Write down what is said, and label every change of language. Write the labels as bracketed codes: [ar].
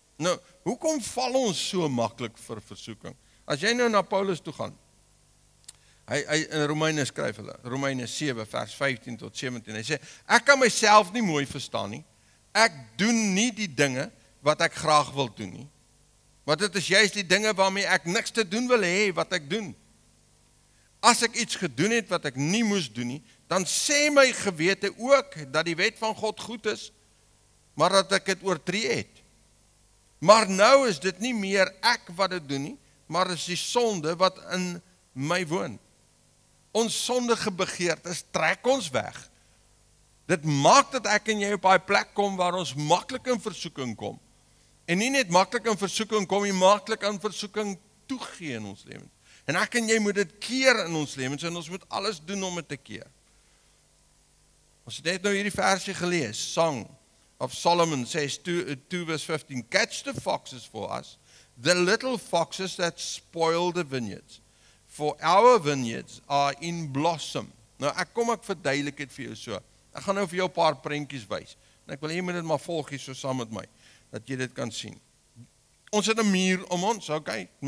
[af] Nou, hoekom val ons so makkelijk vir versoeking? As jy nou na Paulus toe gaan, hy in Romeine skryf hulle, Romeine 7 vers 15 tot 17, hy sê, ek kan myself nie mooi verstaan nie, ek doen nie die dinge wat ek graag wil doen nie, want dit is juist die dinge waarmee ek niks te doen wil hê wat ek doen. As ek iets gedoen het wat ek nie moes doen nie, dan sê my gewete ook dat die wet van God goed is, maar dat ek het oortree het. Maar nou is dit nie meer ek wat het doen nie, maar is die sonde wat in my woon. Ons sondige begeertes trek ons weg. Dit maak dat ek en jy op die plek kom waar ons maklik in versoeking kom. En nie net maklik in versoeking kom, maar maklik in versoeking toegee in ons lewens. En ek en jy moet dit keer in ons lewens en ons moet alles doen om het te keer. Ons het net nou hierdie versie gelees, sang, [en] of Solomon says, 2 verse 15, catch the foxes for us, the little foxes that spoil the vineyards, for our vineyards are in blossom. [af] Nou, ek kom ek verduidelik het vir jou so. Ek gaan nou vir jou een paar prentjies wys. En ek wil jy moet dit maar volg hier so saam met my, dat jy dit kan sien. Ons het een muur om ons, oké, okay?